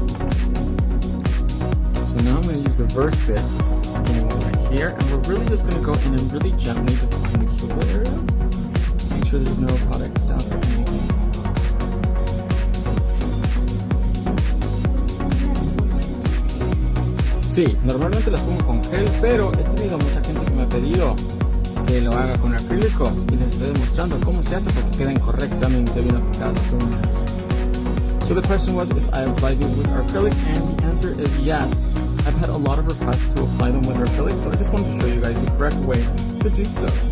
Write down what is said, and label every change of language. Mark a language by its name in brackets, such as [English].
[English] So now I'm going to use the verse bit. And we're really just going to go in and really gently define the cuticle area. Make sure there's no product stuff or anything. [Spanish] Sí, normalmente las pongo con gel, pero he tenido mucha gente que me ha pedido que lo haga con acrílico y les estoy demostrando cómo se hace para que queden correctamente bien aplicadas. [English] So the question was if I apply these with acrylic, and the answer is yes. I've had a lot of requests to apply them with acrylic, so I just wanted to show you guys the correct way to do so.